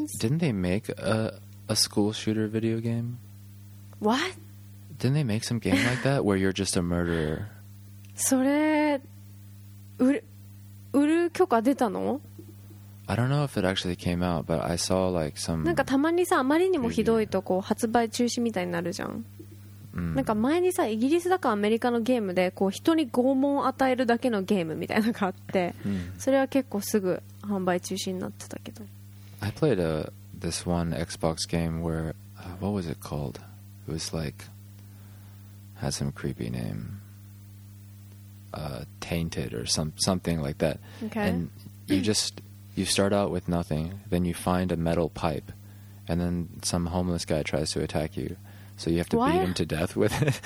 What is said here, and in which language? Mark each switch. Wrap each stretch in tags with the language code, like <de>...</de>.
<en>Didn't they make a school shooter video game? What? Didn't they make some game like that where you're just a murderer?</en> <ja>それ売る許可出たの?</ja> <en>I don't know if it actually came out, but I saw like some.</en> <ja>なんかたまにさ、あまりにもひどいとこう発売中止みたいになるじゃん。なんか前にさ、イギリスだかアメリカのゲームでこう人に拷問を与えるだけのゲームみたいなのがあって、それは結構すぐ販売中止になってたけど。</ja> <en>I played a this one Xbox game where what was it called? It was like had some creepy name, Tainted or something like that. Okay. And you start out with nothing, then you find a metal pipe, and then some homeless guy tries to attack you, so you have to beat him to death with it.</en>